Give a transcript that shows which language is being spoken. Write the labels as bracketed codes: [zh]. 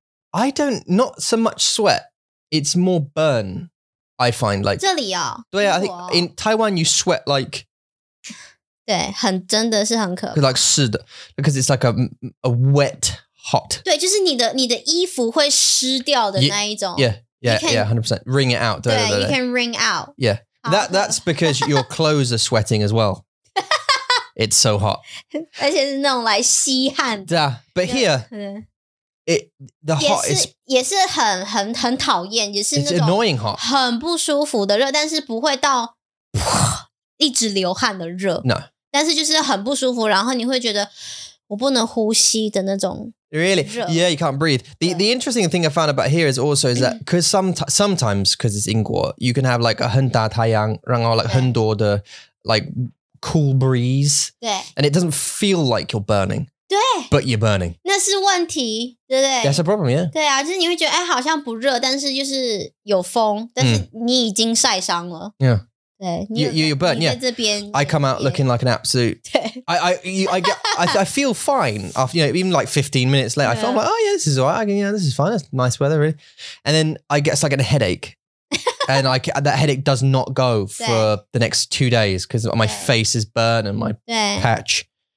[en] I don't, not so much sweat, it's more burn, I find. Like, [zh] 这里哦。对啊, [en] I think in Taiwan, you sweat like... [zh] 对,真的是很可怕。 [en] Like, [zh] 是的, [en] because it's like a wet, hot. [zh] 对,就是你的衣服会湿掉的那一种。 [en] Yeah, 100%. Ring it out. 对, you can ring out. Yeah, that's because your clothes are sweating as well. It's so hot. [zh] 而且是那种来吸汗。 [en] Yeah, but here, the hot [zh] 也是, [en] is... [zh] 也是很讨厌, 也是那种... [en] It's annoying hot. [zh] 很不舒服的热, 但是不会到... 一直流汗的热。 [en] No. [zh] 但是就是很不舒服, 然后你会觉得, 我不能呼吸的那种... [en] Really? Yeah, you can't breathe. The interesting thing I found about here is also is that because sometimes, because it's 英国, you can have like a [zh] 很大太阳, 然后 [en] like 很多的... like cool breeze. [zh] 对. [en] And it doesn't feel like you're burning. [zh] 对. [en] But you're burning. [zh] 那是问题, 对不对? [en] That's a problem, yeah. [zh] 对啊,就是你会觉得, 哎, 好像不热, 但是就是有风, 但是你已经晒伤了。 [en] Mm. Yeah. [zh] 对, 你有, [en] you're burnt, yeah. I come out looking like an absolute. I feel fine after, you know, even like 15 minutes later. Yeah. I feel, I'm like, oh yeah, this is all right. Yeah, this is fine. It's nice weather, really. And then I guess I get a headache. And I, that headache does not go for the next 2 days because my face is burnt and my patch.